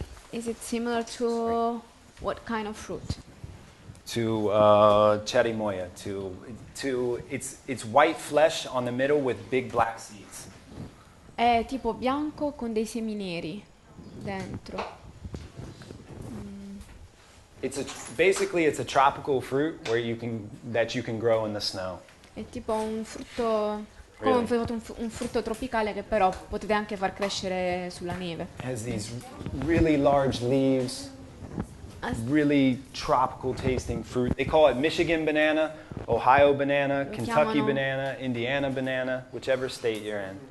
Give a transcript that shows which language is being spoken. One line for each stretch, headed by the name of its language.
English: Is it similar to what kind of fruit? To cherimoya, to it's white flesh on the middle with big black seeds.
Italian: È tipo bianco con dei semi neri dentro.
English: It's basically a tropical fruit where you can grow in the snow.
Italian: È tipo un frutto come un frutto tropicale che però potete anche far crescere sulla neve.
English: Has these really large leaves. Really tropical tasting fruit. They call it Michigan banana, Ohio banana, Kentucky banana, Indiana banana, whichever state you're in.